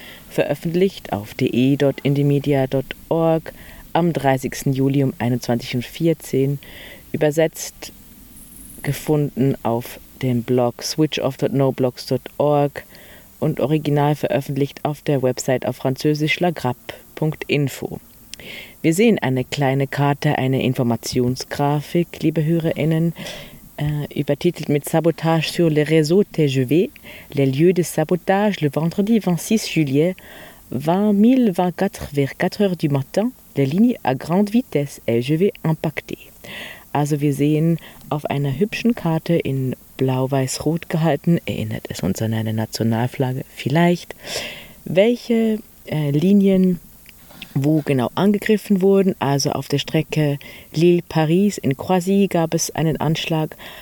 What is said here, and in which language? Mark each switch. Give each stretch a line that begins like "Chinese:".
German: Veröffentlicht auf de.indymedia.org am 30. Juli um 21.14 Uhr. Übersetzt, gefunden auf dem Blog switchoff.noblogs.org und original veröffentlicht auf der Website auf Französisch lagrappe.info. Wir sehen eine kleine Karte, eine Informationsgrafik, liebe HörerInnen, übertitelt mit
French: Sabotage sur le réseau TGV, les lieux de sabotage le vendredi 26 juillet, 20024 vers 4 heures du matin, les lignes à grande vitesse TGV impactées.
German: Also wir sehen auf einer hübschen Karte in blau-weiß-rot gehalten, erinnert es uns an eine Nationalflagge vielleicht, welche Linien wo genau angegriffen wurden. Also auf der Strecke Lille-Paris in Croisy gab es einen Anschlag.